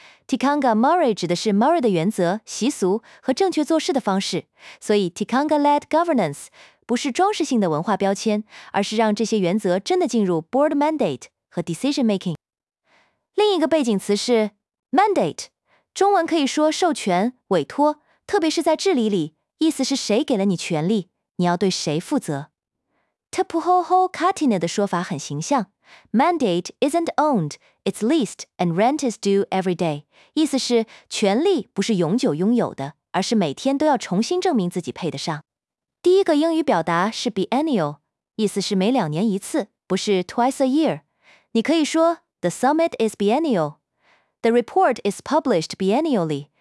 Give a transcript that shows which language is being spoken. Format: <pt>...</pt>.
<zh>Tikanga Māori 指的是 Māori 的原则、习俗和正确做事的方式，所以 Tikanga-led Governance 不是装饰性的文化标签，而是让这些原则真的进入 Board Mandate 和 Decision Making。另一个背景词是 Mandate， 中文可以说授权、委托，特别是在治理里，意思是谁给了你权力，你要对谁负责。</zh> <en>Tapuhoho Katina</en> <zh>的说法很形象，</zh> <en>Mandate isn't owned, it's leased and rent is due every day.</en> <zh>意思是权力不是永久拥有的，而是每天都要重新证明自己配得上。第一个英语表达是 biennial， 意思是每两年一次，不是</zh> <en>twice a year。</en> <zh>你可以说</zh> <en>The summit is biennial. The report is published biennially.</en>